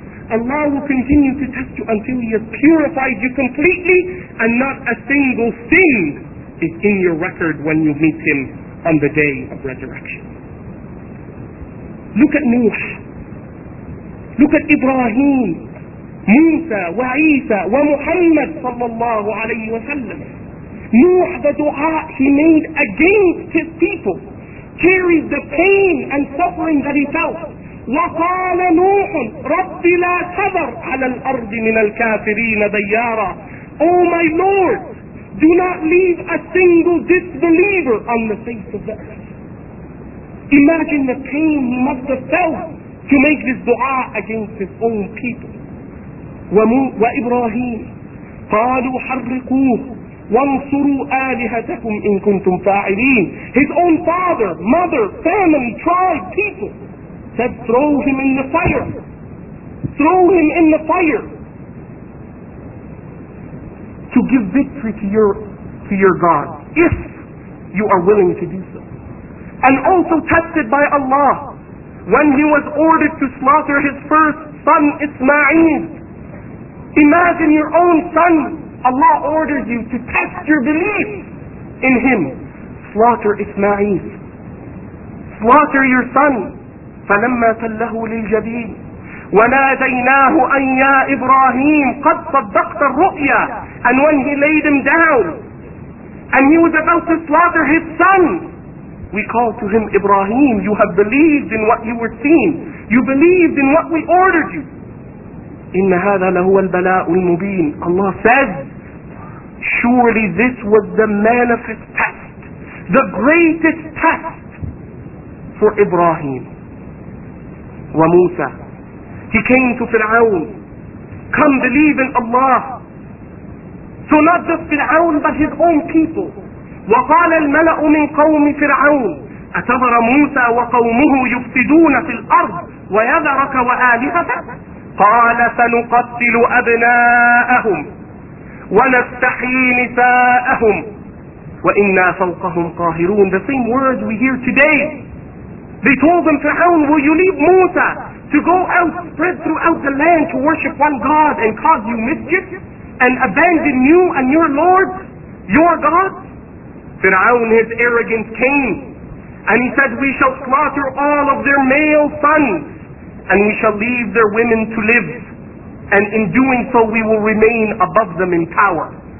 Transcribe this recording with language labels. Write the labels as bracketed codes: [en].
[en] Allah will continue to test you until He has purified you completely, and not a single sin is in your record when you meet Him on the day of resurrection. Look at Nuh. Look at Ibrahim, Musa, wa Isa, wa Muhammad sallallahu alayhi wa sallam. Nuh, the dua he made against his people, carried the pain and suffering that he felt. [ar] وقال نوح رب لا تذر على الأرض من الكافرين ديارا. [en] Oh my Lord, do not leave a single disbeliever on the face of the earth. Imagine the pain he must have felt to make this dua against his own people. [ar] وإبراهيم قالوا حرقوه وانصروا آلهتكم إن كنتم فاعلين. [en] His own father, mother, family, tribe, people said, throw him in the fire. Throw him in the fire to give victory to your God, if you are willing to do so. And also tested by Allah when he was ordered to slaughter his first son, Ismail. Imagine your own son. Allah orders you to test your belief in him. Slaughter Ismail. Slaughter your son. [ar] فلما تله للجبين وناديناه أن يا إبراهيم قد صدقت الرؤيا. [en] And when he laid him down and he was about to slaughter his son, we called to him, Ibrahim, you have believed in what you were seeing. You believed in what we ordered you. [ar] إن هذا لهو البلاء المبين. [en] Allah says, surely this was the manifest test, the greatest test for Ibrahim. وموسى, he came to Fir'aun, come believe in Allah. So not just Fir'aun, but his own people. [ar] وقال الملأ من قوم فرعون أتذر موسى وقومه يفسدون في الأرض ويذرك وآلهتك. قال سنقتل أبناءهم ونستحيي نساءهم وإنا فوقهم قاهرون. [en] The same words we hear today. They told him, Fir'aun, will you leave Musa to go out, spread throughout the land to worship one God and cause you mischief and abandon you and your Lord, your God? Fir'aun, his arrogance came and he said, we shall slaughter all of their male sons and we shall leave their women to live, and in doing so we will remain above them in power.